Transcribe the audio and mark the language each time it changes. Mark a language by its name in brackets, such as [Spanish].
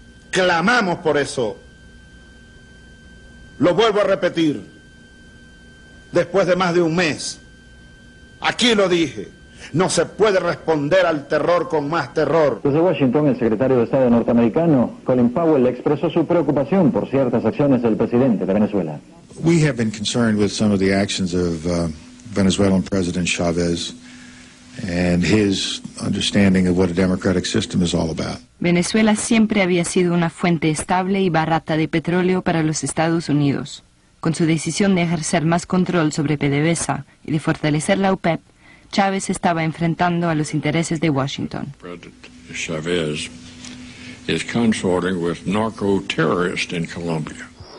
[Spanish] Clamamos por eso. Lo vuelvo a repetir. Después de más de un mes, aquí lo dije, no se puede responder al terror con más terror. Desde Washington, el secretario de Estado norteamericano, Colin Powell, expresó su preocupación por ciertas acciones del presidente de Venezuela. [English] We have been concerned with some of the actions of Venezuelan President Chavez and his understanding of what a democratic system is all about. [Spanish] Venezuela siempre había sido una fuente estable y barata de petróleo para los Estados Unidos. Con su decisión de ejercer más control sobre PDVSA y de fortalecer la OPEP, Chávez estaba enfrentando a los intereses de Washington. [English] Chávez is consorting with narco terrorists in Colombia.